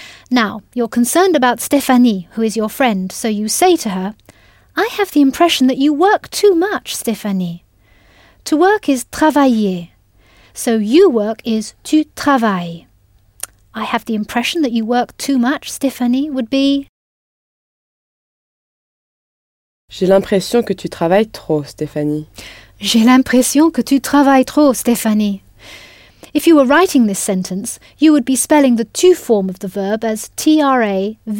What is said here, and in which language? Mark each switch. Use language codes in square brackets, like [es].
[en] Now, you're concerned about Stéphanie, who is your friend, so you say to her, I have the impression that you work too much, Stéphanie. To work is travailler. So you work is [fr] tu travailles. [en] I have the impression that you work too much, Stéphanie, would be... [fr] J'ai l'impression que tu travailles trop, Stéphanie. J'ai l'impression que tu travailles trop, Stéphanie. [en] If you were writing this sentence, you would be spelling the tu form of the verb as travailles.